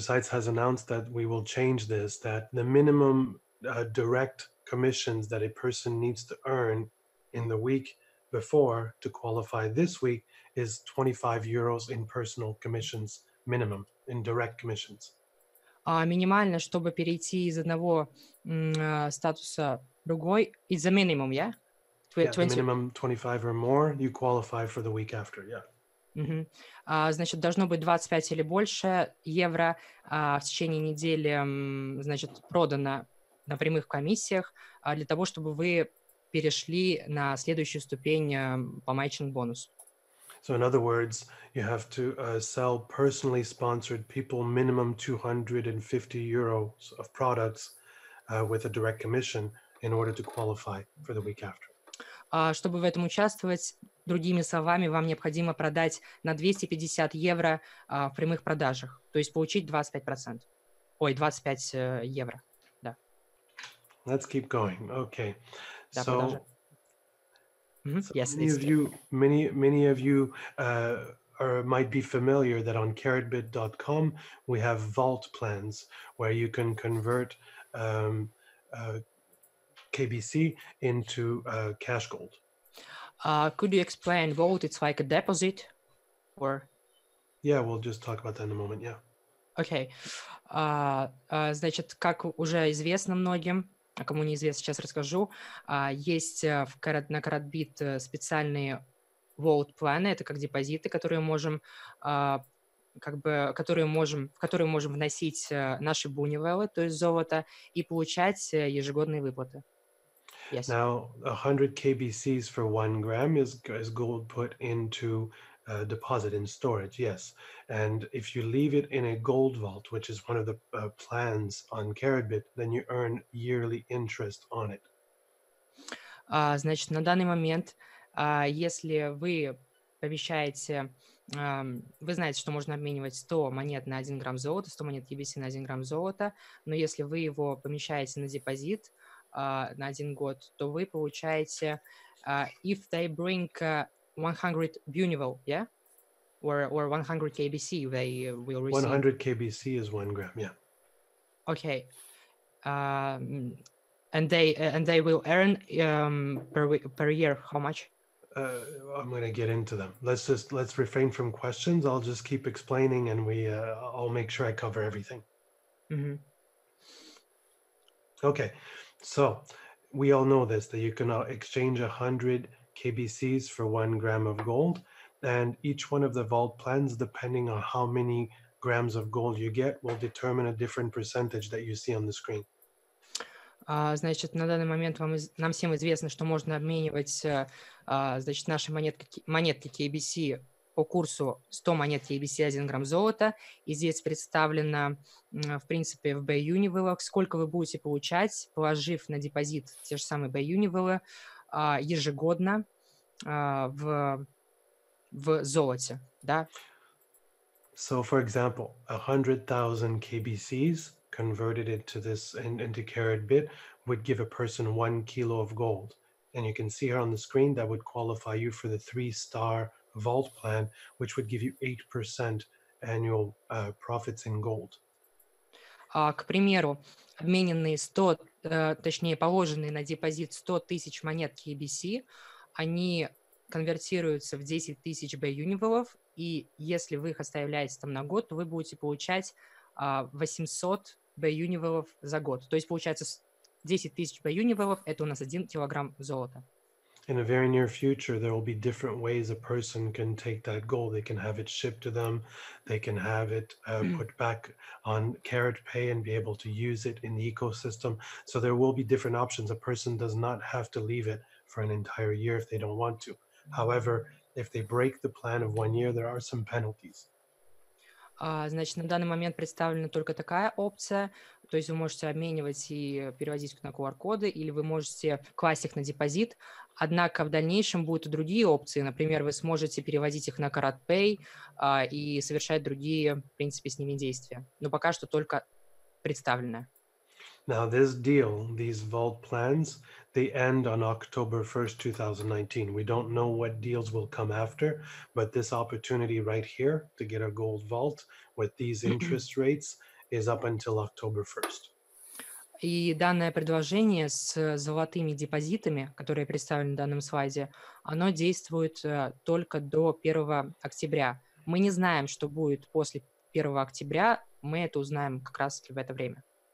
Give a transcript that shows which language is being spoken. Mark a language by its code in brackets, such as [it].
[en] Seitz has announced that we will change this, that the minimum direct commissions that a person needs to earn in the week before to qualify this week is 25 euros in personal commissions minimum, in direct commissions. [ru] Минимально, чтобы перейти из одного статуса другой, [en] it's a minimum, yeah? The minimum 25 or more, you qualify for the week after, yeah. Mm-hmm. [ru] Значит, должно быть 25 или больше евро в течение недели, значит, продано на прямых комиссиях для того, чтобы вы перешли на следующую ступень по matching bonus. [en] So in other words, you have to sell personally sponsored people minimum 250 euros of products with a direct commission in order to qualify for the week after. [ru] Чтобы в этом участвовать, другими словами, вам необходимо продать на 250 евро в прямых продажах, то есть получить 25%. Ой, 25 евро, да. [en] Let's keep going. Okay. Да, so mm-hmm. Yes, many of you might be familiar that on Karatbit.com we have vault plans where you can convert KBC into cash gold. Could you explain vault? It's like a deposit, or? Yeah, we'll just talk about that in a moment. Yeah. Okay. [ru] Значит, как уже известно многим. А кому неизвестно, сейчас расскажу. На Karatbit специальные vault планы. Это как депозиты, которые можем вносить наши буниwell, то есть золото, и получать ежегодные выплаты. [en] Yes. Now 100 KBCs for 1 gram is gold put into a deposit in storage. Yes. And if you leave it in a gold vault, which is one of the plans on Karatbit, then you earn yearly interest on it. [ru] Значит, на данный момент, если вы помещаете, вы знаете, что можно обменивать 100 монет на 1 грамм золота, 100 монет KBC на 1 грамм золота, но если вы его помещаете на депозит на 1 год, то вы получаете [en] if they bring 100 buniwell, yeah? Or 100 KBC they will receive. 100 KBC is 1 gram, yeah. Okay. And they will earn per year how much? I'm going to get into them. Let's refrain from questions. I'll just keep explaining and I'll make sure I cover everything. Mhm. Okay. So, we all know this that you can exchange 100 KBCs for 1 gram of gold, and each one of the vault plans, depending on how many grams of gold you get, will determine a different percentage that you see on the screen. [ru] Значит, на данный момент нам всем известно, что можно обменивать значит, наши монетки KBC по курсу 100 монет KBC 1 грамм золота, и здесь представлено, в принципе, в BUniwell, сколько вы будете получать, положив на депозит те же самые BUniwell, ежегодно в золоте, да? [en] So, for example, 100,000 KBCs converted into Karatbit would give a person 1 kilo of gold. And you can see here on the screen that would qualify you for the 3-star vault plan, which would give you 8% annual profits in gold. [ru] К примеру, обмененные 100, точнее, положенные на депозит 100 тысяч монет KBC, они конвертируются в 10 тысяч BUniwell, и если вы их оставляете там на год, то вы будете получать 800 BUniwell за год. То есть получается 10 тысяч BUniwell – это у нас 1 килограмм золота. [en] In a very near future, there will be different ways a person can take that gold. They can have it shipped to them. They can have it put back on KaratPay and be able to use it in the ecosystem. So there will be different options. A person does not have to leave it for an entire year if they don't want to. However, If they break the plan of one year, there are some penalties. [ru] Значит, на данный момент представлена только такая опция. То есть вы можете обменивать и переводить на QR-коды, или вы можете класть их на депозит. Однако в дальнейшем будут и другие опции. Например, вы сможете переводить их на CaratPay и совершать другие, в принципе, с ними действия. Но пока что только представлено. [en] Now this deal, these vault plans, they end on October 1st, 2019. We don't know what deals will come after, but this opportunity right here to get a gold vault with these interest rates is up until October 1st. [ru] И данное предложение с золотыми депозитами, которые представлены на данном слайде, оно действует только до 1 октября. Мы не знаем, что будет после 1 октября. Мы это узнаем как раз в это время.